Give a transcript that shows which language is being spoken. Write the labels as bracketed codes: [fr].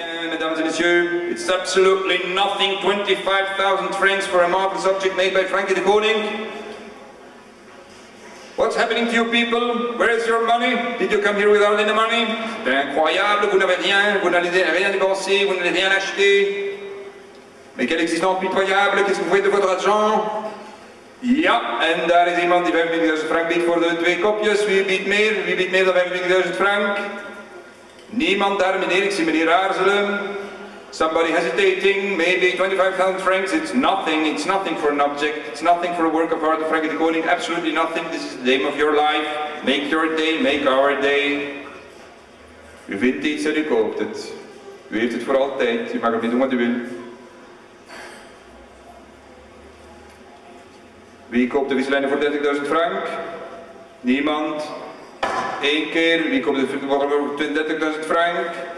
[fr] Mesdames et messieurs, [en] it's absolutely nothing. 25,000 francs for a marvelous object made by Franky DC. What's happening to you people? Where is your money? Did you come here without any money? [fr] C'est incroyable, vous n'avez rien, vous n'allez rien dépenser, vous n'allez rien acheter. Mais quelle existence pitoyable, qu'est-ce que vous faites de votre argent? [en] Yep, and there is [nl] iemand die 25.000 francs biedt voor de twee kopjes. Wie biedt meer dan 25.000 francs? Niemand daar, meneer, ik zie meneer aarzelen. [en] Somebody hesitating, maybe 25.000 francs, it's nothing for an object, it's nothing for a work of art of Franky DC, absolutely nothing, this is the aim of your life, make your day, make our day. [nl] U vindt iets en u koopt het. U heeft het voor altijd, u mag ermee doen wat u wil. Wie koopt de wisselijnen voor 30.000 francs? Niemand. Eén keer, wie koopt de wisselijnen voor 30.000 francs?